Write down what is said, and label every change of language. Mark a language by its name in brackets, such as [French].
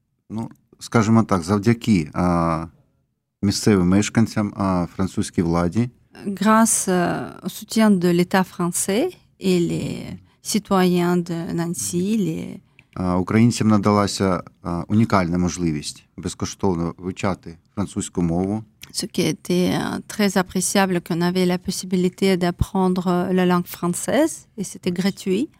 [Ukrainian] Ну, скажімо так, завдяки місцевим мешканцям, французькій владі, [French] grâce au soutien de l'État français et les citoyens de Nancy, [Ukrainian] Українцям надалася унікальна можливість безкоштовно вивчати французьку мову. [French] Ce qui était très appréciable, qu'on avait la possibilité d'apprendre la langue française, et c'était gratuit.